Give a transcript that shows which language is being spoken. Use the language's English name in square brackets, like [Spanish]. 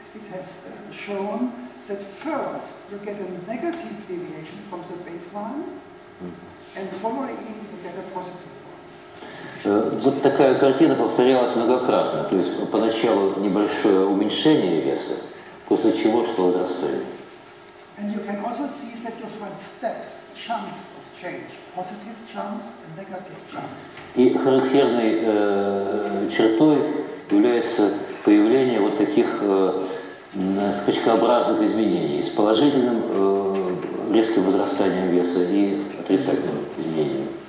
[English] That first you get a negative deviation from the baseline, and following you get a positive one. [Russian] Вот такая картина повторялась многократно. То есть поначалу небольшое уменьшение веса, после чего что возрастает. [English] And you can also see that you find steps, chunks of change, positive chunks and negative chunks. [Russian] И характерной чертой является появление вот таких скачкообразных изменений с положительным резким возрастанием веса и отрицательным изменением.